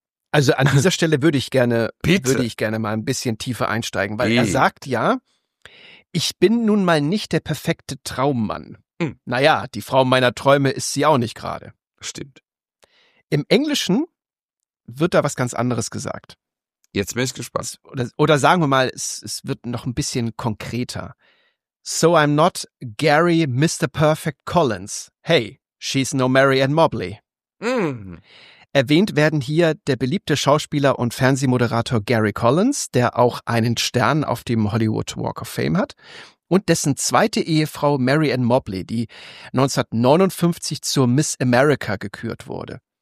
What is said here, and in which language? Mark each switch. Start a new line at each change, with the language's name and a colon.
German: Also an dieser Stelle würde ich gerne mal ein bisschen tiefer einsteigen, weil er sagt ja, ich bin nun mal nicht der perfekte Traummann. Hm. Naja, die Frau meiner Träume ist sie auch nicht gerade. Stimmt. Im Englischen wird da was ganz anderes gesagt. Jetzt bin ich gespannt. Oder sagen wir mal, es wird noch ein bisschen konkreter.
English: So I'm not Gary Mr. Perfect Collins. Hey, she's no Mary Ann Mobley. Mm.
German: Erwähnt werden hier der beliebte Schauspieler und Fernsehmoderator Gary Collins, der auch einen Stern auf dem Hollywood Walk of Fame hat, und dessen zweite Ehefrau Mary Ann Mobley, die 1959 zur Miss America gekürt wurde.